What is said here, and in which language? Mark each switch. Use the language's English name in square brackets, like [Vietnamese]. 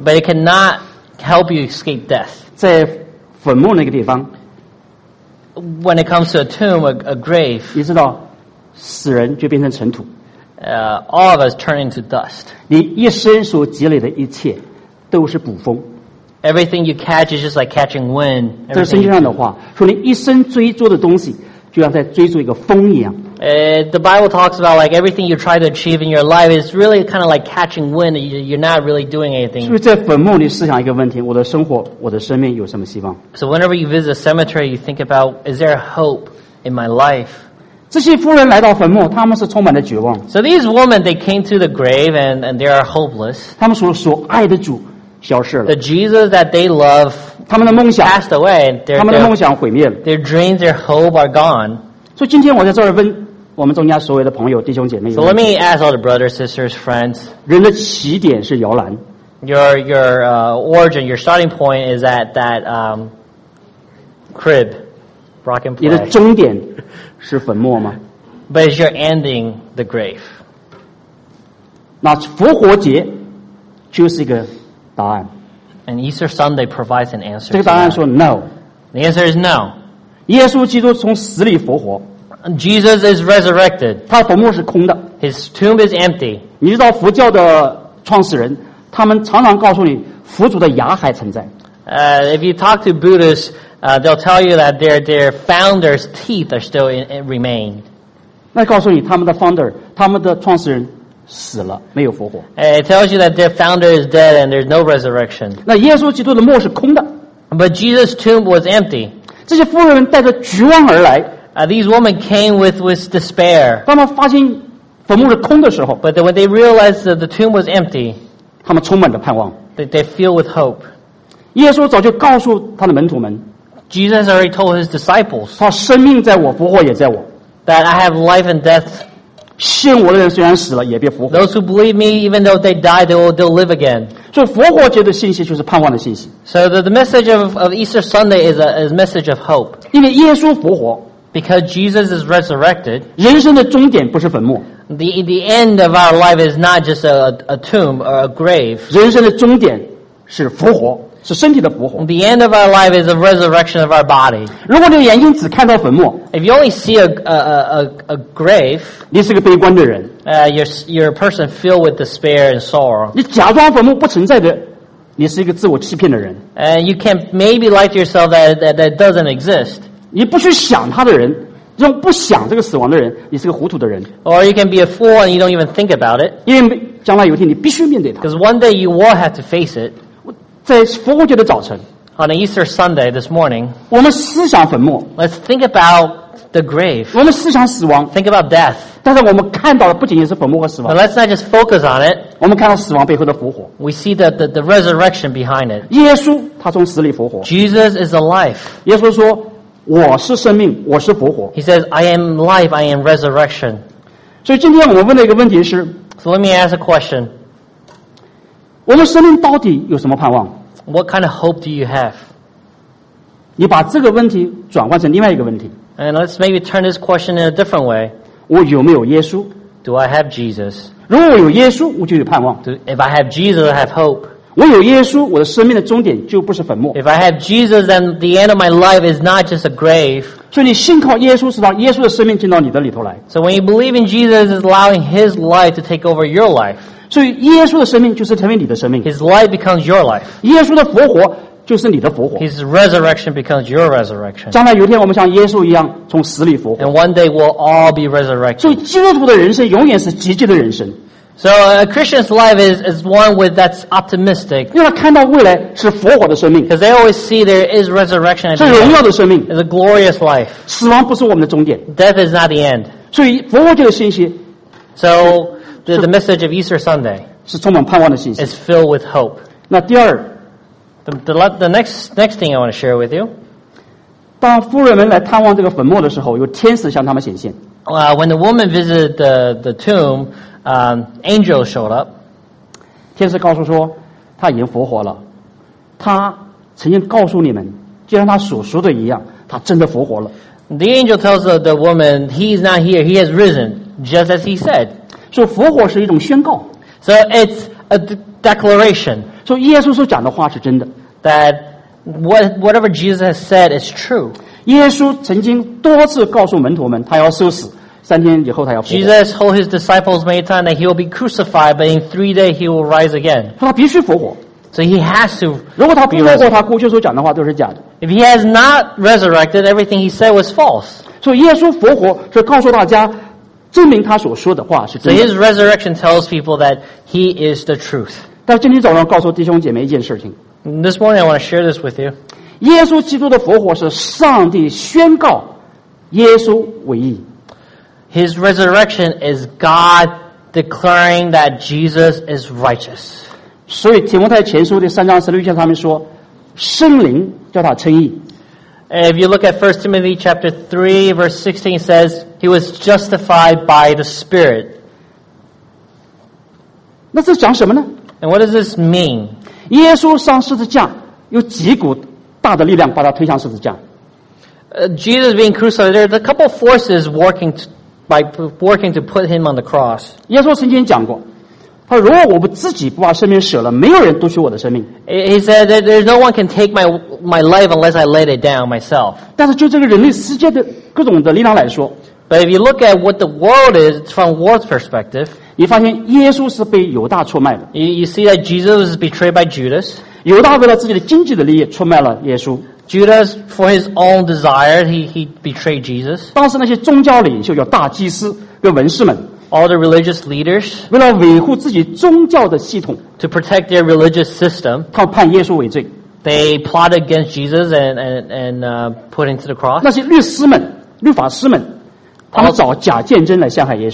[English] but it cannot help you escape death. [Chinese] 在坟墓那个地方, [English] when it comes to a tomb, a grave, [Chinese] 你知道死人就变成尘土, [English] all of us turn into dust. [Chinese] 你一生所积累的一切 都是捕风, [English] everything you catch is just like catching wind. [Chinese] 这是圣经上的话，说你一生追逐的东西，就像在追逐一个风一样。 [English] The Bible talks about like everything you try to achieve in your life is really kind of like catching wind. You're not really doing anything. [Chinese] 是不是在坟墓里思想一个问题？我的生活，我的生命有什么希望？ [English] So whenever you visit a cemetery, you think about, is there hope in my life? [Chinese] 这些妇人来到坟墓，他们是充满了绝望。 [English] So these women, they came to the grave and they are hopeless. [Chinese] 他们所爱的主 消失了, [English] the Jesus that they love [Chinese] 他们的梦想, [English] passed away. Their dreams, their hope are gone. [Chinese] 所以今天我在这儿问我们中间所有的朋友弟兄姐妹, [English] so let me ask all the brothers, sisters, friends. [Chinese] 人的起点是摇篮, [English] your origin, your starting point is at that crib, rock and play. [Chinese] 你的终点是坟墓吗? [English] But is your ending the grave? [Chinese] 那复活节就是一个答案。 [English] And Easter Sunday provides an answer. [Chinese] 这个答案说 [English] no. The answer is no. [Chinese] 耶稣基督从死里复活。 [English] Jesus is resurrected. [Chinese] 他坟墓是空的。 [English] His tomb is empty. [Chinese] 你知道佛教的创始人，他们常常告诉你，佛祖的牙还存在。 [English] If you talk to Buddhists, they'll tell you that their founder's teeth are still remain. [Chinese] 那告诉你，他们的 [English] founder， [Chinese] 他们的创始人。死了，没有复活。 [English] It tells you that their founder is dead and there's no resurrection. [Chinese] 那耶稣基督的墓是空的。 [English] But Jesus' tomb was empty. [Chinese] 这些妇人带着绝望而来。 [English] These women came with despair. [Chinese] 当他们发现坟墓是空的时候。 [English] But when they realized that the tomb was empty, [Chinese] 他们充满着盼望。 [English] They filled with hope. [Chinese] 耶稣早就告诉他的门徒们。 [English] Jesus already told his disciples. [Chinese] 他生命在我，复活也在我。 [English] That I have life and death. [Chinese] 信我的人虽然死了，也必复活。 [English] Those who believe me, even though they die, they'll live again. [Chinese] 所以复活节的信息就是盼望的信息。 [English] So the message of Easter Sunday is a message of hope. [Chinese] 因为耶稣复活。 [English] Because Jesus is resurrected. [Chinese] 人生的终点不是坟墓。 [English] The end of our life is not just a tomb or a grave. [Chinese] 人生的终点是复活，是身体的复活。 [English] The end of our life is a resurrection of our body. [Chinese] 如果你的眼睛只看到坟墓， [English] If you only see a grave, [Chinese] 你是个悲观的人。 [English] You're a person filled with despair and sorrow. [Chinese] 你假装坟墓不存在的，你是一个自我欺骗的人。 [English] And you can maybe lie to yourself that doesn't exist. [Chinese] 你不去想它的人，这种不想这个死亡的人，你是个糊涂的人。 [English] Or you can be a fool and you don't even think about it. [Chinese] 因为将来有一天你必须面对它。 [English] Because one day you will have to face it. [Chinese] 在复活节的早晨 [English] ，On Easter Sunday this morning， [Chinese] 我们思想坟墓 [English] ，Let's think about the grave。 [Chinese] 我们思想死亡 [English] ，Think about death。 [Chinese] 但是我们看到的不仅仅是坟墓和死亡 [English] ，But let's not just focus on it。 [Chinese] 我们看到死亡背后的复活 [English] ，We see the resurrection behind it。 [Chinese] 耶稣他从死里复活 [English] ，Jesus is alive。 [Chinese] 耶稣说：“我是生命，我是复活。 [English] ”He says, "I am life, I am resurrection." [Chinese] 所以今天我们问的一个问题是 [English] ，So let me ask a question。 [Chinese] 我们生命到底有什么盼望 [English] ？What kind of hope do you have？ [Chinese] 你把这个问题转换成另外一个问题。 [English] And let's maybe turn this question in a different way。 [Chinese] 我有没有耶稣 [English] ？Do I have Jesus？ [Chinese] 如果我有耶稣，我就有盼望。 [English] If I have Jesus, I have hope。 [Chinese] 我有耶稣，我的生命的终点就不是坟墓。 [English] If I have Jesus, then the end of my life is not just a grave。 [Chinese] 所以你信靠耶稣，是让耶稣的生命进到你的里头来。 [English] So when you believe in Jesus, it's allowing His life to take over your life。 [Chinese] 所以耶稣的生命就是成为你的生命。 [English] His life becomes your life. [Chinese] 耶稣的复活就是你的复活。 [English] His resurrection becomes your resurrection. [Chinese] 将来有一天我们像耶稣一样从死里复活。 [English] And one day we'll all be resurrected. [Chinese] 所以基督徒的人生永远是积极的人生。 [English] So a Christian's life is one with that's optimistic. [Chinese] 因为他看到未来是复活的生命。 [English] Because they always see there is resurrection. [Chinese] 是荣耀的生命。 [English] It's a glorious life. [Chinese] 死亡不是我们的终点。 [English] Death is not the end. [Chinese] 所以复活这个信息。 [English] So,The message of Easter Sunday is filled with hope. [Chinese] 那第二 [English] the next thing I want to share with you. [Chinese] 当妇人们来探望这个坟墓的时候，有天使向他们显现。 [English] When the woman visited the tomb, angels showed up. [Chinese] 天使告诉说，他已经复活了。他曾经告诉你们，就像他所说的一样，他真的复活了。 [English] The angel tells the woman, "He is not here. He has risen, just as he said." [Chinese] 所以复活是一种宣告。 [English] So it's a declaration. [Chinese] 所以耶稣所讲的话是真的。 [English] That whatever Jesus has said is true. [Chinese] 耶稣曾经多次告诉门徒们，他要受死，三天以后他要复活。 [English] Jesus told his disciples many times that he will be crucified, but in 3 days he will rise again. [Chinese] 他必须复活。 [English] So he has to. [Chinese] 如果他不复活，他过去所讲的话都是假的。 [English] If he has not resurrected, everything he said was false. [Chinese] 所以耶稣复活是告诉大家。证明他所说的话是真的。 [English] So his resurrection tells people that he is the truth. [Chinese] 但今天早上告诉弟兄姐妹一件事情。 [English] This morning I want to share this with you. [Chinese] 耶稣基督的复活是上帝宣告耶稣为义。 [English] His resurrection is God declaring that Jesus is righteous. [Chinese] 所以提摩太前书的3:16上面说，圣灵叫他称义。 [English] If you look at 1 Timothy chapter 3, verse 16, it says, He was justified by the Spirit. [Chinese] 那这讲什么呢？ [English] And what does this mean? [Chinese] 耶稣上十字架，有几股大的力量把他推向十字架。 [English] Jesus being crucified, there are a couple of forces working to put him on the cross. [Chinese] 耶稣曾经讲过，他说如果我不自己不把生命舍了，没有人夺取我的生命。 [English] He said that there's no one can take my life unless I laid it down myself. [Chinese] 但是就这个人类世界的各种的力量来说， [English] But if you look at what the world is from world's perspective, [Chinese] 你发现耶稣是被犹大出卖的。 [English] You see that Jesus was betrayed by Judas. [Chinese] 犹大为了自己的经济的利益出卖了耶稣。 [English] Judas, for his own desire, he betrayed Jesus. [Chinese] 当时那些宗教领袖，有大祭司跟文士们。 [English] All the religious leaders, [Chinese] 为了维护自己宗教的系统， [English] to protect their religious system, [Chinese] 他们判耶稣为罪。 [English] They plot against Jesus and put him to the cross. [Chinese] 那些律师们、律法师们，他们找假见证来陷害耶稣。